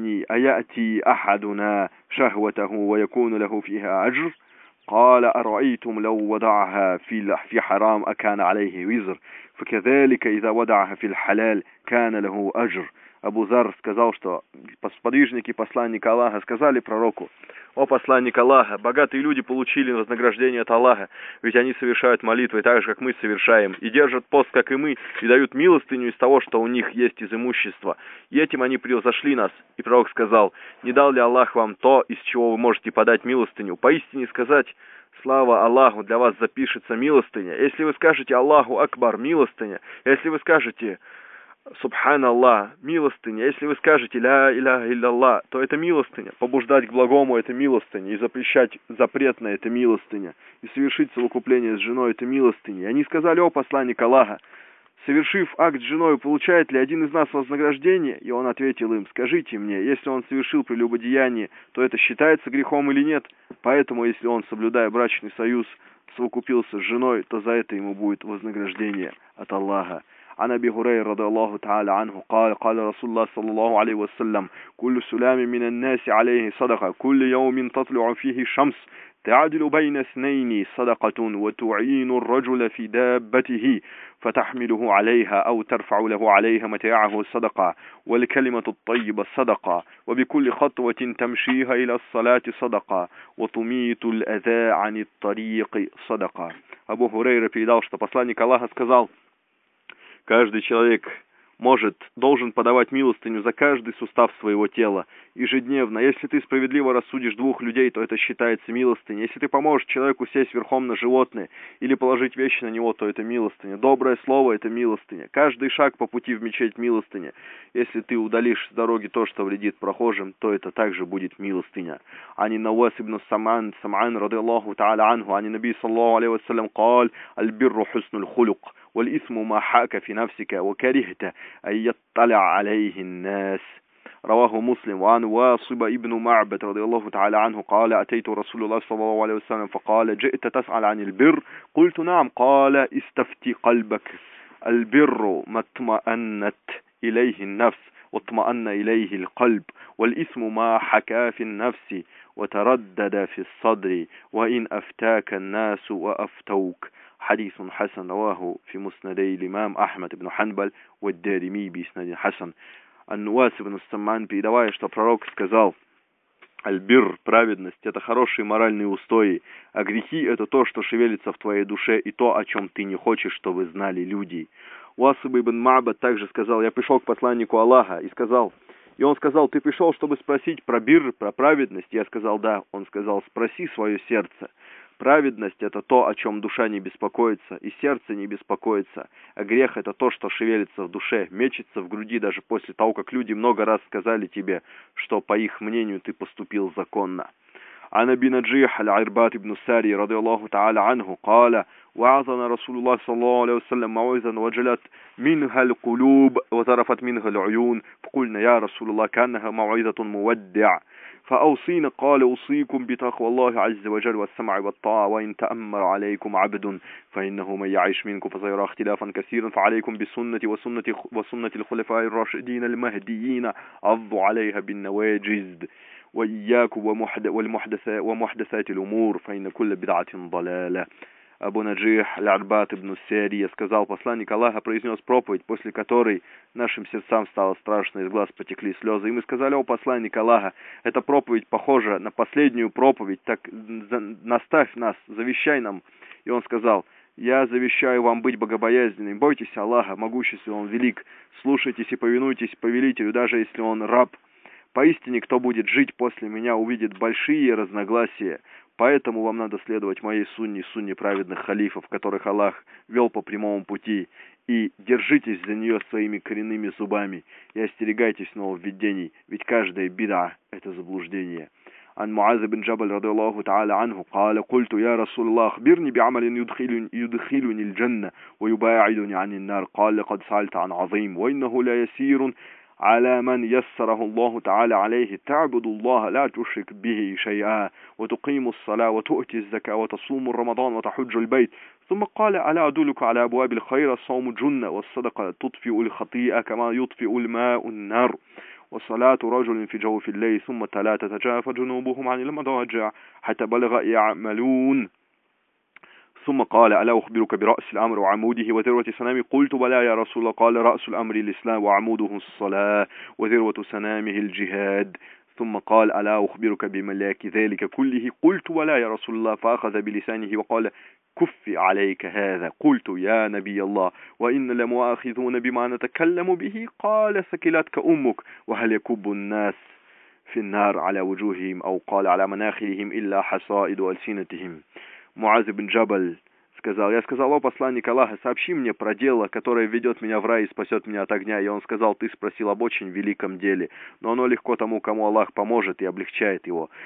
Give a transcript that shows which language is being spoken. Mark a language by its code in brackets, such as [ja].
[ar] أيأتي أحدنا شهوته ويكون له فيها أجر؟ قال أرأيتم لو وضعها في حرام أكان عليه وزر؟ فكذلك إذا وضعها في الحلال كان له أجر. [ru] أبو ذر сказал, что сподвижники посланника Аллаха сказали пророку: «О посланник Аллаха, богатые люди получили вознаграждение от Аллаха, ведь они совершают молитвы так же, как мы совершаем, и держат пост, как и мы, и дают милостыню из того, что у них есть из имущества. И этим они превзошли нас». И пророк сказал: «Не дал ли Аллах вам то, из чего вы можете подать милостыню? Поистине сказать, слава Аллаху, для вас запишется милостыня. Если вы скажете Аллаху Акбар, милостыня, если вы скажете Субханаллах, милостыня, если вы скажете ля иляха илляллах, то это милостыня. Побуждать к благому – это милостыня, и запрещать запретное – это милостыня, и совершить совокупление с женой – это милостыня. И они сказали: «О посланник Аллаха, совершив акт с женой, получает ли один из нас вознаграждение?» И он ответил им: «Скажите мне, если он совершил прелюбодеяние, то это считается грехом или нет? Поэтому, если он, соблюдая брачный союз, совокупился с женой, то за это ему будет вознаграждение от Аллаха». [ar] عن أبي هريرة رضي الله تعالى عنه قال: قال رسول الله صلى الله عليه وسلم: كل سلام من الناس عليه صدقة، كل يوم تطلع فيه شمس تعدل بين اثنين صدقة، وتعين الرجل في دابته فتحمله عليها أو ترفع له عليها متاعه صدقة، والكلمة الطيبة صدقة، وبكل خطوة تمشيها إلى الصلاة صدقة، وتميت الأذى عن الطريق صدقة. [ru] أبو هريرة передал, что посланник Аллаха сказал: каждый человек может, должен подавать милостыню за каждый сустав своего тела ежедневно. Если ты справедливо рассудишь двух людей, то это считается милостыней. Если ты поможешь человеку сесть верхом на животное или положить вещи на него, то это милостыня. Доброе слово – это милостыня. Каждый шаг по пути в мечеть – милостыня. Если ты удалишь с дороги то, что вредит прохожим, то это также будет милостыня. [ar] Ани Науас ибн Саман, Саман ради Аллаху та'аля анху, ани Наби саллаху алейхи ва саллям кал: «Альбирру хуснуль хулюк». والإثم ما حاك في نفسك وكرهت أن يطلع عليه الناس. رواه مسلم. وعن واصب ابن معبد رضي الله تعالى عنه قال: أتيت رسول الله صلى الله عليه وسلم فقال: جئت تسأل عن البر؟ قلت: نعم. قال: استفتي قلبك، البر ما اطمأنت إليه النفس واطمأن إليه القلب، والإثم ما حكى في النفس وتردد في الصدر، وإن أفتاك الناس وأفتوك. حديث حسن رواه في مسندي الإمام أحمد بن حنبل والدارمي بإسناد حسن. [ru] النواس بن السمان передавая, что пророк сказал: «Альбир, праведность, это хорошие моральные устои, а грехи – это то, что шевелится в твоей душе и то, о чем ты не хочешь, чтобы знали люди». Уасаб ибн Маабад также сказал: «Я пришел к посланнику Аллаха и сказал». И он сказал: «Ты пришел, чтобы спросить про бир, про праведность?» Я сказал: «Да». Он сказал: «Спроси свое сердце. Праведность – это то, о чем душа не беспокоится, и сердце не беспокоится, а грех – это то, что шевелится в душе, мечется в груди даже после того, как люди много раз сказали тебе, что, по их мнению, ты поступил законно». [ar] عن أبي نجيح العرباط بن ساري رضي الله تعالى عنه قال: وعظنا رسول الله صلى الله عليه وسلم موعظة وجلت منها القلوب وطرفت منها العيون، فقلنا: يا رسول الله، كانها موعظة مودع. فأوصينا قال: أوصيكم بتقوى الله عز وجل والسمع والطاعة، وإن تأمر عليكم عبد فإنه من يعيش منكم فسيرى اختلافا كثيرا، فعليكم بسنة وسنة الخلفاء الراشدين المهديين عضوا عليها بالنواجذ، وإياكم ومحدثات الأمور فإن كل بدعة ضلالة. [ru] Абу Наджих Аль-Арбат ибн Сария сказал: посланник Аллаха произнес проповедь, после которой нашим сердцам стало страшно, из глаз потекли слезы. И мы сказали: о посланник Аллаха, эта проповедь похожа на последнюю проповедь, так наставь нас, завещай нам. И он сказал: я завещаю вам быть богобоязненным, бойтесь Аллаха, могущество он велик, слушайтесь и повинуйтесь повелителю, даже если он раб. Поистине, кто будет жить после меня, увидит большие разногласия. Поэтому вам надо следовать моей сунне, сунне праведных халифов, которых Аллах вел по прямому пути, и держитесь за нее своими коренными зубами, и остерегайтесь нововведений, ведь каждая беда – это заблуждение. [ar] عن معاذ بن جبل رضي الله تعالى عنه قال: قلت: يا رسول الله، أخبرني بعمل يدخلني الجنة ويباعدني عن النار. قال: لقد سألت عن عظيم، وإنه لا يسير على من يسره الله تعالى عليه، تعبد الله لا تشرك به شيئا، وتقيم الصلاة وتؤتي الزكاة وتصوم رمضان وتحج البيت. ثم قال: ألا أدلك على أبواب الخير؟ الصوم جنة، والصدقة تطفئ الخطيئة كما يطفئ الماء النار، وصلاة رجل في جوف الليل ثم تلا تتجافى جنوبهم عن المضاجع حتى بلغ يعملون. ثم قال: ألا أخبرك برأس الأمر وعموده وذروة سنامه؟ قلت: بلى يا رسول الله. قال: رأس الأمر الإسلام، وعموده الصلاة، وذروة سنامه الجهاد. ثم قال: ألا أخبرك بملاك ذلك كله؟ قلت: بلى يا رسول الله. فأخذ بلسانه وقال: كف عليك هذا. قلت: يا نبي الله، وإن لمؤاخذون بما نتكلم به. قال: سكلتك أمك، وهل يكب الناس في النار على وجوههم أو قال على مناخرهم إلا حصائد ألسنتهم؟ [ru] Муазы бин Джабаль сказал: я сказал: о посланник Аллаха, сообщи мне про дело, которое ведет меня в рай и спасет меня от огня. И он сказал: ты спросил об очень великом деле, но оно легко тому, кому Аллах поможет и облегчает его.